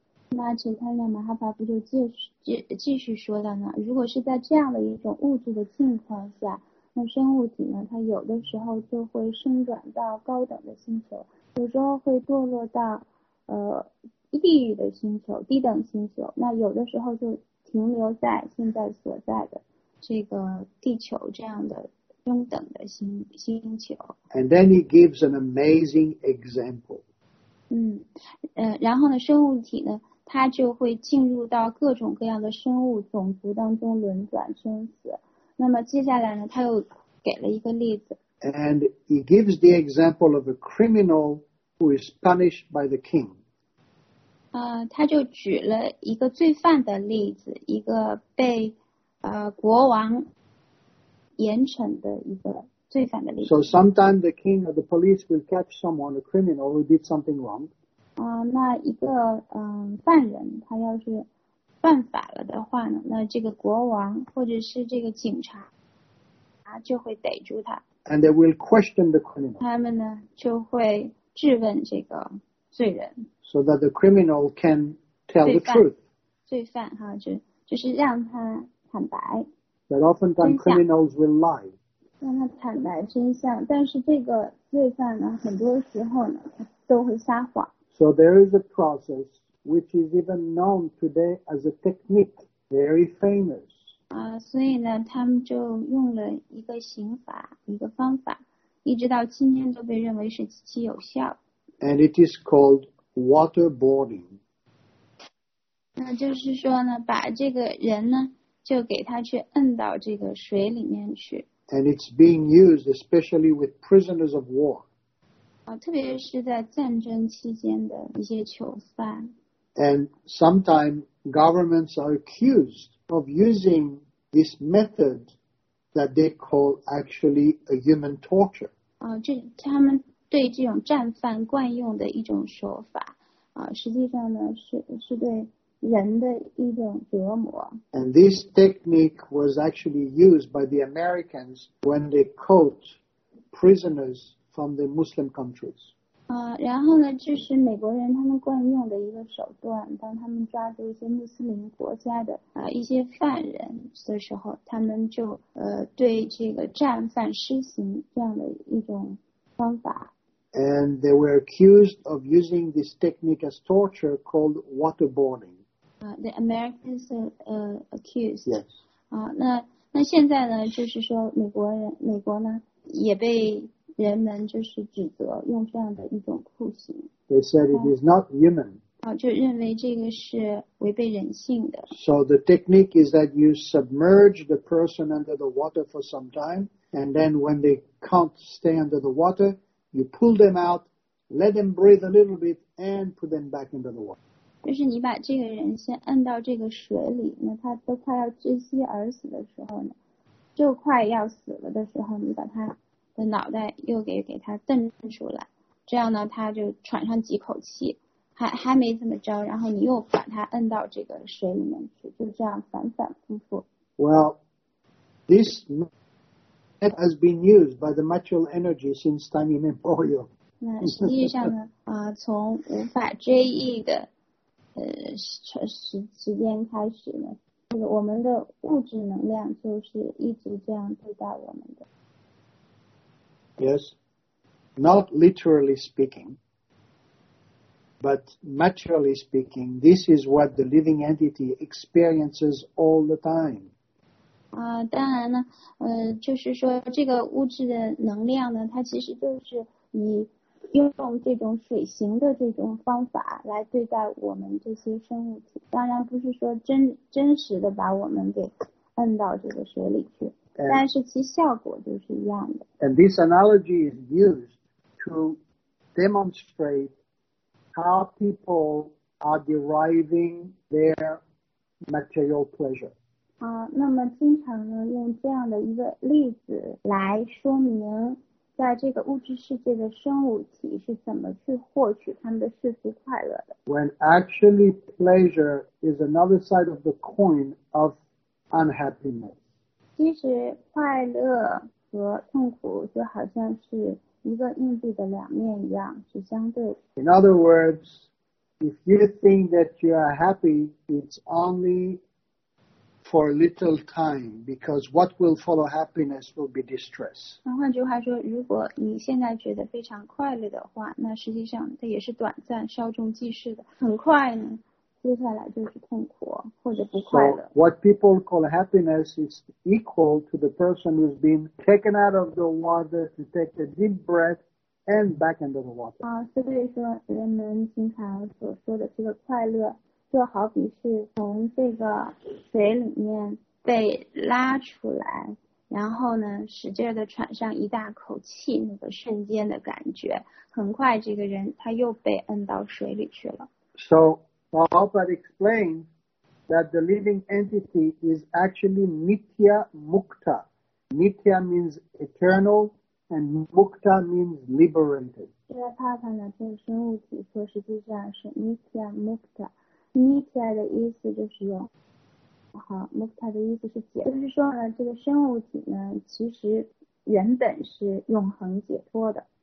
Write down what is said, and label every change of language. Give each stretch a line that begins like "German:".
Chinese: 那 Chaitanya Mahaprabhu 就继续说了呢，如果是在这样的一种物质的境况下，那生物体呢，它有的时候就会生转到高等的星球，有时候会堕落到地狱的星球，低等星球，那有的时候就停留在现在所在的这个地球这样的中等的星球。
English: And then he gives an amazing example.
Chinese: 然后呢，生物体呢，它就会进入到各种各样的生物种族当中轮转生死。那么接下来呢，他又给了一个例子。
English: And he gives the example of a criminal who is punished by the king.
Chinese: 他就举了一个罪犯的例子，一个被国王严惩的一个罪犯的例子。
English: So sometimes the king or the police will catch someone, a criminal who did something wrong.
Chinese: 那一个犯人，他要是犯法了的话呢，那这个国王或者是这个警察，他就会逮住他。
English: And they will question the criminal.
Chinese: 他们呢就会质问这个罪人。
English: So that the criminal can tell the truth.
Chinese: 罪犯哈，就是让他坦白。
English: But oftentimes criminals will lie.
Chinese: 让他坦白真相，但是这个罪犯呢，很多时候呢，他都会撒谎。
English: So there is a process which is even known today as a technique, very famous.
Chinese: 所以呢，他们就用了一个刑法，一个方法。一直到今天都被认为是极其有效。
English: And it is called waterboarding.
Chinese: 那就是说呢，把这个人呢，就给他去摁到这个水里面去。
English: And it's being used especially with prisoners of war.
Chinese: 特别是在战争期间的一些囚犯。
English: And sometimes governments are accused of using this method that they call actually a human torture.
Chinese: 他们对这种战犯惯用的一种手法，实际上呢是对人的一种折磨。
English: And this technique was actually used by the Americans when they caught prisoners from the Muslim countries.
Chinese: 然后呢，这是美国人他们惯用的一个手段，当他们抓住一些穆斯林国家的一些犯人的时候，他们就对这个战犯施行这样的一种方法。
English: And they were accused of using this technique as torture called waterboarding. The Americans accused. Yes.
Chinese: 那现在呢，就是说美国呢也被人们就是指责用这样的一种酷刑。
English: They said it is not human.
Chinese: 就认为这个是违背人性的。
English: So the technique is that you submerge the person under the water for some time, and then when they can't stay under the water, you pull them out, let them breathe a little bit, and put them back into the water.
Chinese: 就是你把这个人先摁到这个水里，那他都快要窒息而死的时候呢，就快要死了的时候，你把他的脑袋又给他瞪出来，这样呢他就喘上几口气，还没怎么着，然后你又把他摁到这个水里面去，就这样反反复复。
English: Well, this method has been used by the material energy since time immemorial.
Chinese: 那实际上呢，从无法追忆的时间开始呢，这个我们的物质能量就是一直这样对待我们的。
English: Yes, not literally speaking, but materially speaking, this is what the living entity experiences all the time.
Chinese: 当然呢，就是说这个物质的能量呢，它其实就是以用这种水形的这种方法来对待我们这些生物体。当然不是说真实的把我们给摁到这个水里去。但是其效果就是一样的。
English: And this analogy is used to demonstrate how people are deriving their material pleasure.
Chinese: 那么经常呢用这样的一个例子来说明在这个物质世界的生物体是怎么去获取他们的世俗快乐的。
English: When actually pleasure is another side of the coin of unhappiness.
Chinese: 其实快乐和痛苦就好像是一个硬币的两面一样，是相对的。
English: In other words, if you think that you are happy, it's only for a little time, because what will follow happiness will be distress.
Chinese: 换句话说，如果你现在觉得非常快乐的话，那实际上它也是短暂、稍纵即逝的。很快呢，接下来就是痛苦或者不快乐。
English: So what people call happiness is equal to the person who's been taken out of the water to take a deep breath and back into the water.
Chinese: 所以说人们经常所说的这个快乐就好比是从这个水里面被拉出来，然后呢使劲的喘上一大口气，那个瞬间的感觉，很快这个人他又被摁到水里去了。
English: So Prabhupada explained that the living entity is actually Nitya Mukta. Nitya means eternal and Mukta means liberated.
Chinese: 这个帕帕呢这个生物体说实际上是 Nitya MuktaNitya 的意思就是有，好 ，Mukta 的意思是解，就是说呢，这个生物体呢，其实原本是永恒解脱的。